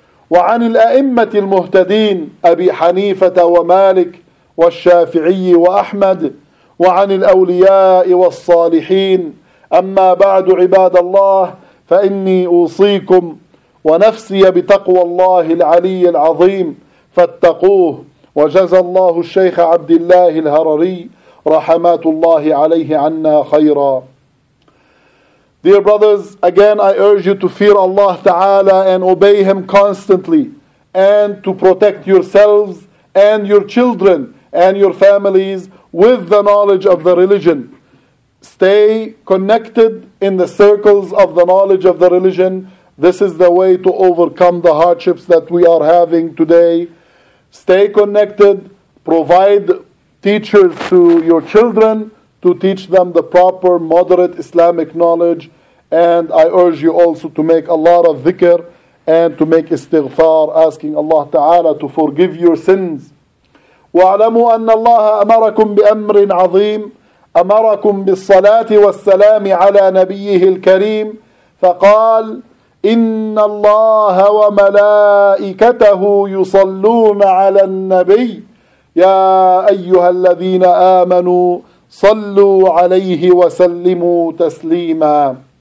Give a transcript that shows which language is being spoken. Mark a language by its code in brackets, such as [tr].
[ar] وعن الأئمة المهتدين أبي حنيفة ومالك والشافعي وأحمد وعن الأولياء والصالحين أما بعد عباد الله فإني أوصيكم ونفسي بتقوى الله العلي العظيم فاتقوه وجزى الله الشيخ عبد الله الهرري رحمات الله عليه عنا خيرا. [en] Dear brothers, again I urge you to fear Allah Ta'ala and obey Him constantly and to protect yourselves and your children and your families with the knowledge of the religion. Stay connected in the circles of the knowledge of the religion. This is the way to overcome the hardships that we are having today. Stay connected. Provide teachers to your children to teach them the proper moderate Islamic knowledge. And I urge you also to make a lot of dhikr and to make istighfar, asking Allah Ta'ala to forgive your sins. [ar] وَعْلَمُوا أَنَّ اللَّهَ أَمَرَكُمْ بِأَمْرٍ عَظِيمٍ أَمَرَكُمْ بِالصَّلَاةِ وَالسَّلَامِ عَلَى نَبِيِّهِ الْكَرِيمِ فَقَالَ إِنَّ اللَّهَ وَمَلَائِكَتَهُ يُصَلُّونَ عَلَى النَّبِيِّ يَا أَيُّهَا الَّذِينَ آمَنُوا صَلُّوا عَلَيْهِ وَسَلِّمُوا تَسْلِيمًا